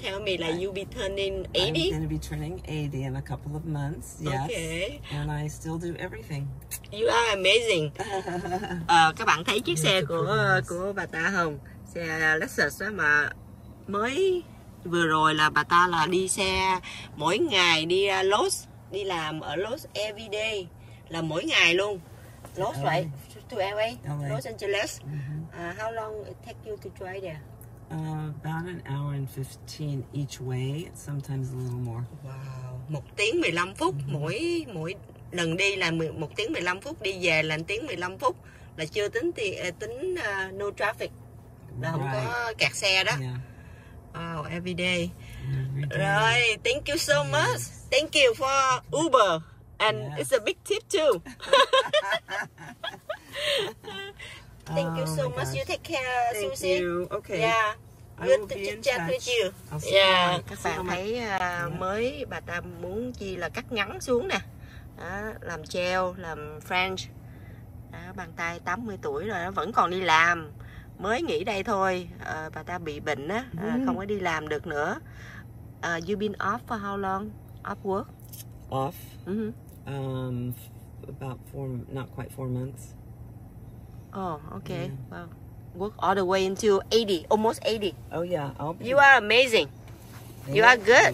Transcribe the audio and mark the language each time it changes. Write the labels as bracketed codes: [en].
[en] tell me like you'll be turning 80? I'm going to be turning 80 in a couple of months. Yes. Okay. And I still do everything. You are amazing. [vi] Các bạn thấy chiếc xe của bà ta không? Xe Lexus đó mà mới vừa rồi là bà ta là đi xe mỗi ngày đi Los. Đi làm ở Los [en] every day. [vi] Là mỗi ngày luôn. Los vậy? [en] To LA, Los Angeles. Mm-hmm. How long it take you to drive there? About an hour and 15 each way, sometimes a little more. Wow. [vi] 1 tiếng 15 phút mỗi lần đi là 1 tiếng 15 phút, đi về là 1 tiếng 15 phút, là chưa tính [en] no traffic. [vi] Là không có kẹt xe đó. [en] Yeah. Wow, every day. Every day. Rồi, thank you so much. Thank you for Uber and it's a big tip too. Thank you so much. You take care, Susie. Thank you. Okay. Yeah. Good to chat touch. With you. [vi] Các bạn thấy mới bà ta muốn chi là cắt ngắn xuống nè. Đó, làm treo, làm French. Đó, bàn tay 80 tuổi rồi vẫn còn đi làm. mới nghỉ đây thôi, bà ta bị bệnh á, không có đi làm được nữa. [en] You've been off for how long? Off work? Off? Mm-hmm. About four months. Oh, okay. Yeah. Wow. Work all the way until 80, almost 80. Oh yeah. I'll be... You are amazing. Thank you are good.